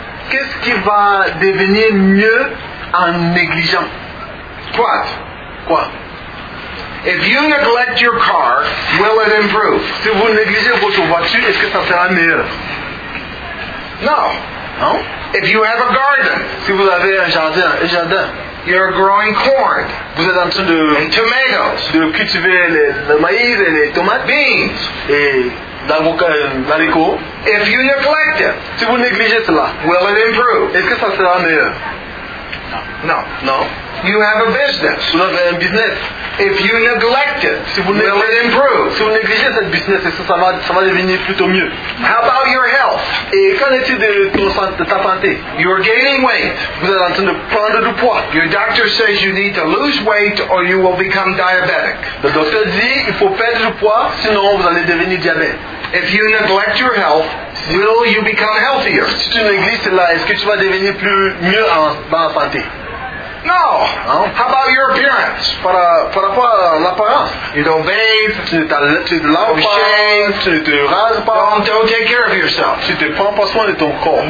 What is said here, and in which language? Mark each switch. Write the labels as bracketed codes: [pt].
[fr] Qu'est-ce qui va devenir mieux en négligeant? Quoi? [en] If you neglect your car, will it improve? [fr] Si vous négligez votre voiture, est-ce que ça sera mieux? Non. [en] If you have a garden, [fr] si vous avez un jardin, [en] you're growing corn, [fr] vous êtes en train de [en] and tomatoes, [fr] de cultiver le maïs et les tomates, [en] beans [fr] et d'haricots. [en] If you neglect it, [fr] si vous négligez cela, [en] will it improve? [fr] Est-ce que ça sera mieux? Non. [en] You have a business. [fr] Vous avez un business. [en] If you neglect it, [fr] si vous [en] will it improve? [fr] Si vous négligez cette business, ça va devenir plutôt mieux. [en] How about your health? [fr] Et qu'en est-il de ta santé? [en] You are gaining weight. [fr] Vous êtes en train de prendre du poids. [en] Your doctor says you need to lose weight or you will become diabetic. [fr] Le docteur dit il faut perdre du poids, sinon vous allez devenir diabétique. [en] If you neglect your health, will you become healthier? [fr] Si tu négliges cela, est-ce que tu vas devenir plus mieux dans la santé? [en] No. Hein? How about your appearance? [fr] Par rapport à l'apparence. [en] You don't bathe. [fr] Tu te laves pas. Tu te rases pas. [en] Don't take care of yourself. [fr] Tu te prends pas soin de ton corps.